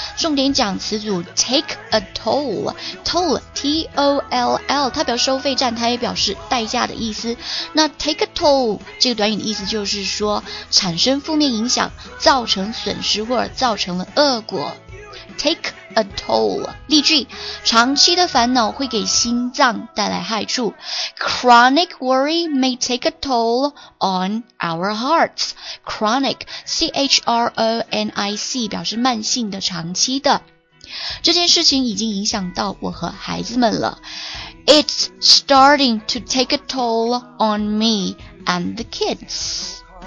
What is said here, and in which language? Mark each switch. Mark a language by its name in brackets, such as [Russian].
[Chinese] 重点讲词组 take a toll. Toll, T-O-L-L, 它表示收费站，它也表示代价的意思。那 take a toll 这个短语的意思就是说产生负面影响，造成损失或者造成了恶果。 [English] take a toll. [Chinese] 例句，长期的烦恼会给心脏带来害处。 [English] Chronic worry may take a toll on our hearts. [Chinese] Chronic, C-H-R-O-N-I-C, 表示慢性的、长期的。这件事情已经影响到我和孩子们了。 [English] It's starting to take a toll on me and the kids.